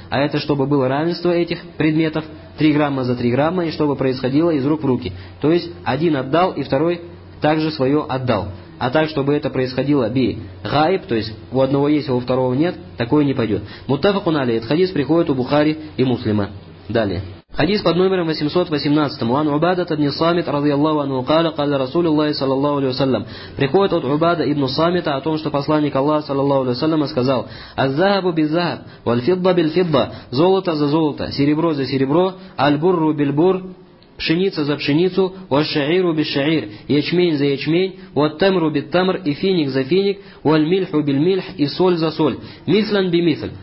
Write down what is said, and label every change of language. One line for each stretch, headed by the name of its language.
Russian: А это чтобы было равенство этих предметов, 3 грамма за 3 грамма, и чтобы происходило из рук в руки. То есть один отдал, и второй также свое отдал. А так, чтобы это происходило би гайб, то есть у одного есть, а у второго нет, такое не пойдет. Муттафакун алейхи. Этот хадис приходит у Бухари и Муслима. Далее. Хадис под номером 818.
Arabic: Ан Убада ибн Самит радиаллаху анху قال قال رسول الله صلى الله عليه وسلم.
Russian: Приходит от Убада ибн Самита о том, что посланник Аллаха صلى الله عليه وسلم сказал:
Arabic: "Аз-захабу биз-захаб, валь-фидда биль-фидда,
Russian: золото за золото, серебро за серебро,
Arabic: аль-бурру биль-бур,
Russian: пшеница за пшеницу,
Arabic: ва-ш-ши'иру биш-ши'ир,
Russian: ячмень за ячмень,
Arabic: ва-тамру бит-тамр,
Russian: и финик за финик,
Arabic: валь-мильху биль-мильх,
Russian: и соль за соль,
Arabic: мислан би-мисль".